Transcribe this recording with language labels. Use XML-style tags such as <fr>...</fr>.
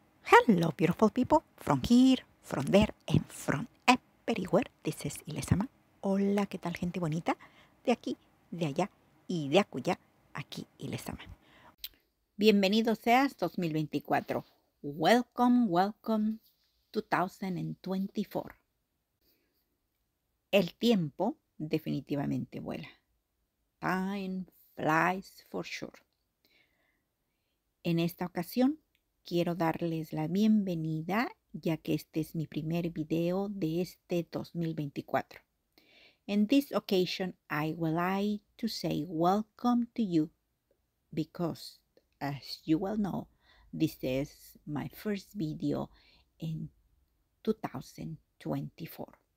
<en>Hello, beautiful people, from here, from there, and from everywhere. This is LezAma.</en> <es>Hola, ¿qué tal, gente bonita? De aquí, de allá y de acullá, aquí LezAma. Bienvenido seas 2024.</es> <en>Welcome, welcome 2024.</en> <es>El tiempo definitivamente vuela.</es> <en>Time flies for sure.</en> <es>En esta ocasión, quiero darles la bienvenida, ya que este es mi primer video de este 2024.</es> <en>In this occasion, I would like to say welcome to you, because, as you well know, this is my first video in 2024.</en>